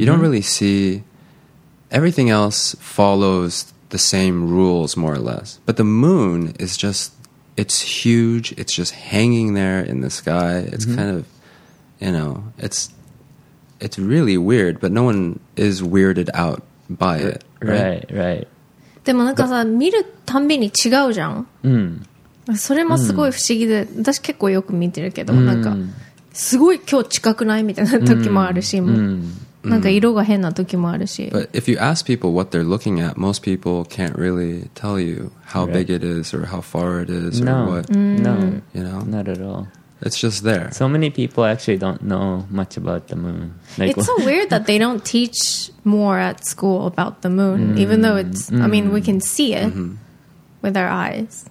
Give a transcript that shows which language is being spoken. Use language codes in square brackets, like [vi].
[en] You don't really see... Everything else follows the same rules, more or less. But the moon is just... It's huge. It's just hanging there in the sky. It's kind of... You know, it's really weird, but no one is weirded out by it, right? Right. [ja] でもなんかさ、見るたんびに違うじゃん。それもすごい不思議で、私結構よく見てるけど、なんかすごい今日近くないみたいな時もあるし、なんか色が変な時もあるし。 [en] But if you ask people what they're looking at, most people can't really tell you how big it is or how far it is or what. No, you know, not at all. It's just there. So many people actually don't know much about the moon. Like, it's so weird that they don't teach more at school about the moon, even though it's, I mean, we can see it with our eyes.